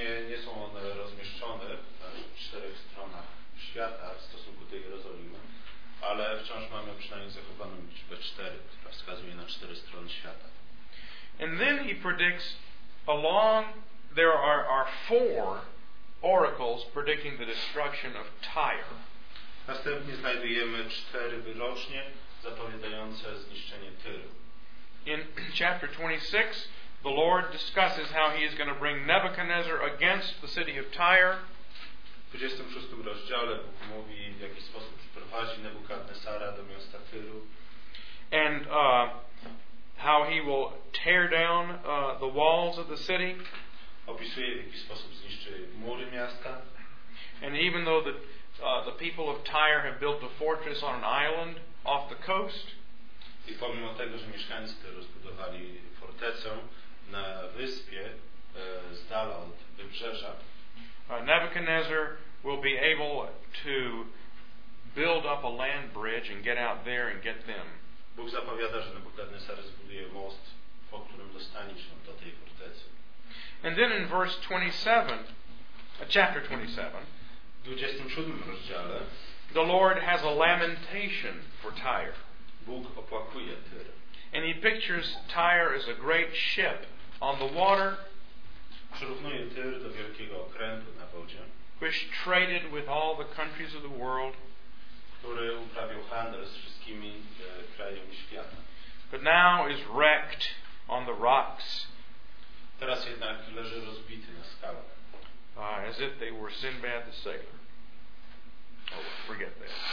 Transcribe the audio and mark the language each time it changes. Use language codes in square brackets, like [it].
[pl] Nie są one rozmieszczone na czterech stronach świata w stosunku do Jerozolimy, ale wciąż mamy przynajmniej zachowaną liczbę cztery, która wskazuje na cztery strony świata. [en] And then he predicts along there are four oracles predicting the destruction of Tyre. [pl] Następnie znajdujemy cztery wyrocznie zapowiadające zniszczenie Tyru. [en] In chapter 26 the Lord discusses how he is going to bring Nebuchadnezzar against the city of Tyre. [pl] W 26 rozdziale Bóg mówi, w jaki sposób przyprowadzi Nebukadnesara do miasta Tyru. [en] And how he will tear down the walls of the city. [pl] Opisuje, w jaki sposób zniszczy mury miasta. [en] And even though the people of Tyre have built a fortress on an island off the coast. [pl] I pomimo tego, że mieszkańcy te rozbudowali fortecę na wyspie z dala od wybrzeża, [en] Nebuchadnezzar will be able to build up a land bridge and get out there and get them. [pl] Bóg zapowiada, że Nebukadnesar zbuduje most, po którym dostanie się do tej fortecy. [en] And then in verse 27, chapter 27, [pl] w 27 rozdziale, [en] the Lord has a lamentation for Tyre. [pl] Bóg opłakuje Tyr. [en] And he pictures Tyre as a great ship on the water, [pl] przyrównuje Tyr do wielkiego okrętu na wodzie, [en] which traded with all the countries of the world, [pl] który uprawiał handel z wszystkimi krajami świata. [en] But now is wrecked on the rocks. [pl] Teraz jednak leży rozbity na skałach. [en] As if they were Sinbad the sailor. Oh, forget that.